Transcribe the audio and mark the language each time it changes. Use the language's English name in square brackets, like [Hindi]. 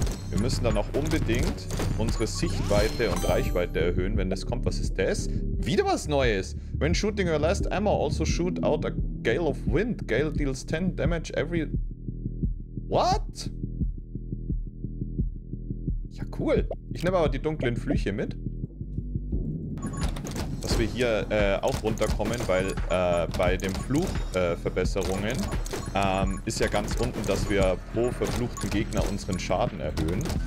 [German] Wir müssen dann auch unbedingt unsere Sichtweite und Reichweite erhöhen, wenn das kommt. Was ist das? Wieder was Neues! [English] When shooting your last ammo, also shoot out a gale of wind. Gale deals 10 damage every... What? [German] Ja, cool. Ich nehme aber die dunklen Flüche mit. Dass wir hier auch runterkommen, weil bei den Fluchverbesserungen ist ja ganz unten, dass wir pro verfluchten Gegner unseren Schaden erhöhen.